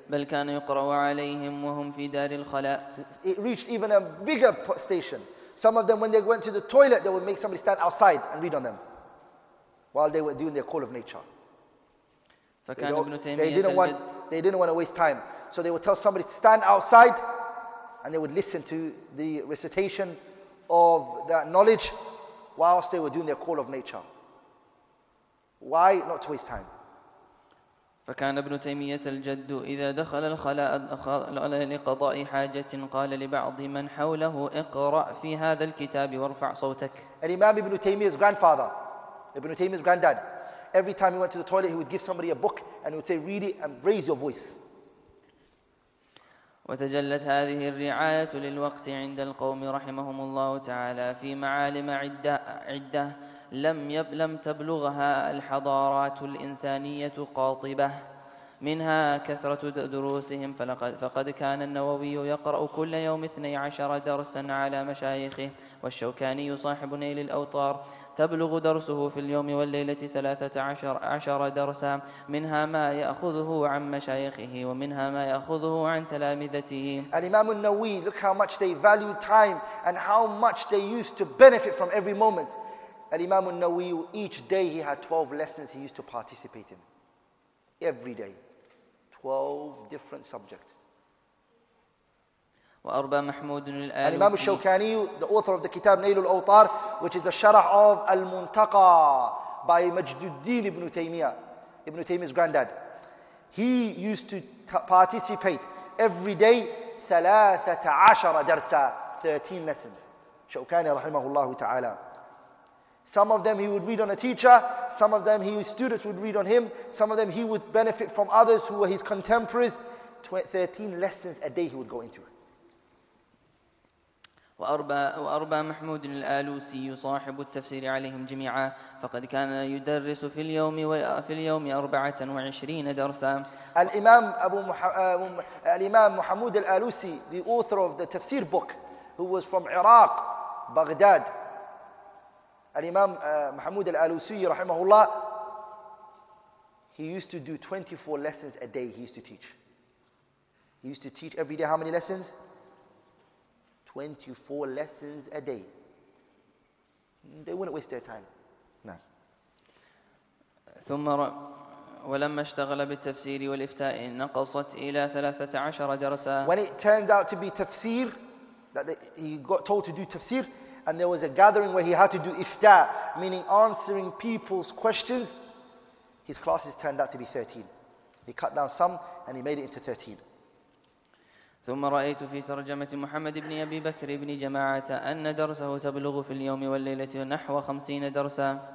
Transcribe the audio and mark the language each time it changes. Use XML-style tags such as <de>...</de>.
<ar>بل كان يقرؤ عليهم وهم في دار الخلاء.</ar> <en>It reached even a bigger station. Some of them, when they went to the toilet, they would make somebody stand outside and read on them while they were doing their call of nature. They didn't want to waste time. So they would tell somebody to stand outside and they would listen to the recitation of that knowledge whilst they were doing their call of nature. Why? Not to waste time.</en> <ar>فكان ابن تيمية الجد إذا دخل الخلاء لقضاء حاجة قال لبعض من حوله اقرأ في هذا الكتاب وارفع صوتك.</ar> <en>الإمام ابن تيمية's grandfather, ابن تيمية's granddad, every time he went to the toilet he would give somebody a book and he would say read it and raise your voice.</en> <ar>وتجلت هذه الرعاية للوقت عند القوم رحمهم الله تعالى في معالم عدة لم تبلغها الحضارات الإنسانية قاطبة، منها كثرة دروسهم، فقد كان النووي يقرأ كل يوم 12 درسا على مشايخه، والشوكاني صاحب نيل الأوطار تبلغ درسه في اليوم والليلة 13 درسا، منها ما يأخذه عن مشايخه ومنها ما يأخذه عن تلامذته.</ar> <en>الإمام النووي, look how much they valued time and how much they used to benefit from every moment. الإمام النووي, each day he had 12 lessons he used to participate in. Every day, 12 different subjects.</en> <ar>وأربى محمود الآلوسي.</ar> <en>الإمام الشوكاني, the author of the كتاب نيل الأوطار, which is the sharh of المنتقى by مجدودين ابن تيمية, ابن تيمية's granddad. He used to participate every day 13 درسا, 13 lessons.</en> <ar>شوكاني رحمه الله تعالى.</ar> <en>Some of them he would read on a teacher, some of them his students would read on him, some of them he would benefit from others who were his contemporaries. 13 lessons a day he would go into.</en> <ar>وأربى محمود الآلوسي صاحب التفسير عليهم جميعا، فقد كان يدرس في اليوم 24 درسا.</ar> <en>الإمام محمود الآلوسي, the author of the tafsir book, who was from Iraq, Baghdad. الإمام محمود الآلوسي رحمه الله, he used to do 24 lessons a day he used to teach. He used to teach every day how many lessons? 24 lessons a day. They wouldn't waste their time. No.</en> <ar>ثم ولما اشتغل بالتفسير والإفتاء نقصت إلى 13 درسا.</ar> <en>When it turned out to be tafsir, he got told to do tafsir, and there was a gathering where he had to do ifta, meaning answering people's questions, his classes turned out to be 13. He cut down some and he made it into 13.</en> <ar>ثم رأيت في ترجمة محمد بن أبي بكر بن جماعة أن درسه تبلغ في اليوم والليلة نحو 50 درسا.</ar>